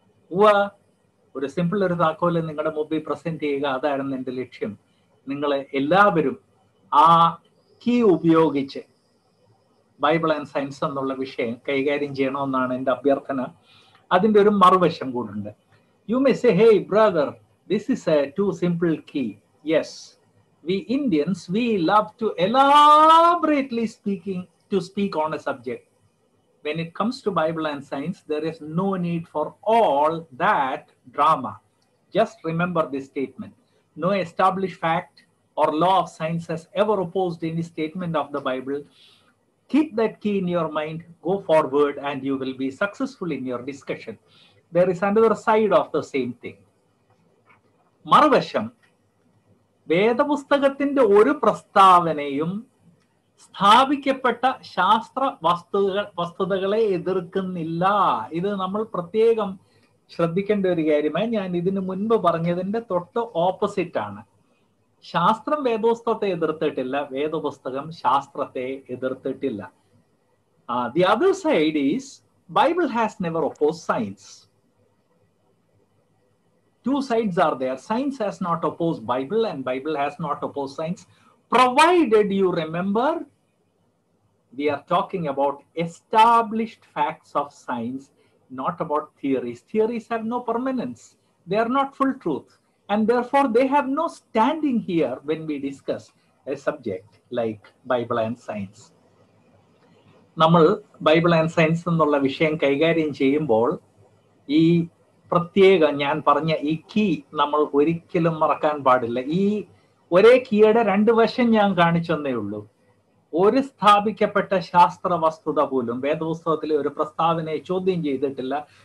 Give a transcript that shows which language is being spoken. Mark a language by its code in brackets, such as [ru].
[ml] ഉവാ, ഒരു സിമ്പിൾ ഒരു താക്കോൽ നിങ്ങളുടെ മുമ്പിൽ പ്രസന്റ് ചെയ്യുക, അതായിരുന്നു എൻ്റെ ലക്ഷ്യം. നിങ്ങൾ എല്ലാവരും ആ കീ ഉപയോഗിച്ച് ബൈബിൾ ആൻഡ് സയൻസ് എന്നുള്ള വിഷയം കൈകാര്യം ചെയ്യണമെന്നാണ് എൻ്റെ അഭ്യർത്ഥന. അതിൻ്റെ ഒരു മറുവശം കൂടുണ്ട്. [en] You may say, hey brother, this is a too simple key. Yes, we Indians, we love to elaborately speak on a subject. When it comes to Bible and science, there is no need for all that drama. Just remember this statement: no established fact or law of science has ever opposed any statement of the Bible. Keep that key in your mind, go forward, and you will be successful in your discussion. There is another side of the same thing. [ml] Marvasham, വേദപുസ്തകത്തിന്റെ ഒരു പ്രസ്താവനയും സ്ഥാപിക്കപ്പെട്ട ശാസ്ത്ര വസ്തുതകളെ എതിർക്കുന്നില്ല. ഇത് നമ്മൾ പ്രത്യേകം ശ്രദ്ധിക്കേണ്ട ഒരു കാര്യമായി. ഞാൻ ഇതിന് മുൻപ് പറഞ്ഞതിന്റെ തൊട്ട് ഓപ്പോസിറ്റാണ്. ശാസ്ത്രം വേദപുസ്തകത്തെ എതിർത്തിട്ടില്ല, വേദപുസ്തകം ശാസ്ത്രത്തെ എതിർത്തിട്ടില്ല. [en] The other side is Bible has never oppose science. Two sides are there. Science has not opposed Bible and Bible has not opposed science, provided you remember we are talking about established facts of science, not about theories. Theories have no permanence, they are not full truth, and therefore they have no standing here when we discuss a subject like Bible and science. [ml] നമ്മൾ Bible and science എന്നുള്ള വിഷയം കൈകാര്യം ചെയ്യുമ്പോൾ ഈ പ്രത്യേകം ഞാൻ പറഞ്ഞ ഈ കീ നമ്മൾ ഒരിക്കലും മറക്കാൻ പാടില്ല. ഈ ഒരേ കീയുടെ രണ്ട് വശം ഞാൻ കാണിച്ചെന്നേ ഉള്ളൂ. ഒരു സ്ഥാപിക്കപ്പെട്ട ശാസ്ത്ര വസ്തുത പോലും വേദപുസ്തകത്തിലെ ഒരു പ്രസ്താവനയെ ചോദ്യം ചെയ്തിട്ടില്ല.